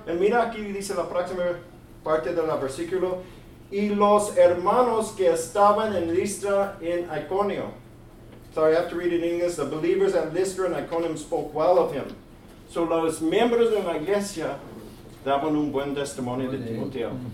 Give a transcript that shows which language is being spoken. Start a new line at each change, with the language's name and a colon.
Spanish: Y mira aquí dice la próxima parte del versículo. Y los hermanos que estaban en Listra en Iconio.
English: Sorry, I have to read it in English. The believers at Listra and Iconium spoke well of him.
Spanish: So los miembros de la iglesia daban un buen testimonio de Timoteo.